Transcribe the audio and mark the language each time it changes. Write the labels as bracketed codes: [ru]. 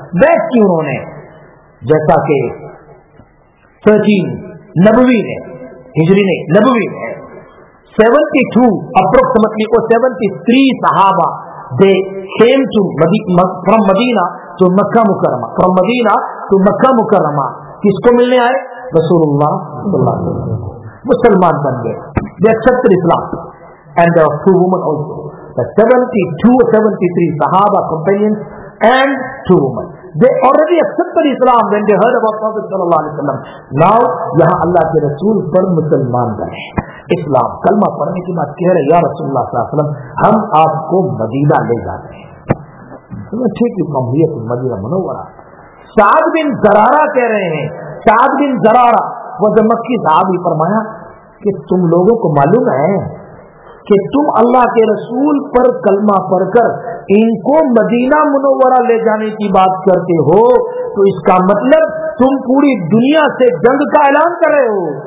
[ur] Bag کی انہوں نے جیسا کہ 13 نبوی نے, ہجری نے نبوی نے 72 اپروکسیمیٹلی اور 73 صحابہ [en] They came to from Medina to Mecca Mukarramah, from Medina to Mecca Mukarramah. [ur] کس کو ملنے آئے؟ رسول اللہ صلی اللہ علیہ وسلم. مسلمان بن گئے, [en] They accepted Islam and there two women also. The 72 or 73 صحابہ companions and two women, they already accepted Islam when they heard about prophet صلی اللہ علیہ وسلم. [ur] ناؤ یہاں اللہ کے رسول پر مسلمان بنے, اسلام کلمہ پڑھنے کی بات کہہ رہے ہیں, یا رسول اللہ صلی اللہ علیہ وسلم ہم آپ کو مدینہ لے جاتے ہیں. ٹھیک ہے, مدینہ منورہ. سعد بن زرارہ کہہ رہے ہیں, سعد بن زرارہ وہ مکی صحابی, فرمایا کہ تم لوگوں کو معلوم ہے کہ تم اللہ کے رسول پر کلمہ پڑھ کر ان کو مدینہ منورہ لے جانے کی بات کرتے ہو, تو اس کا مطلب تم پوری دنیا سے جنگ کا اعلان کر رہے ہو.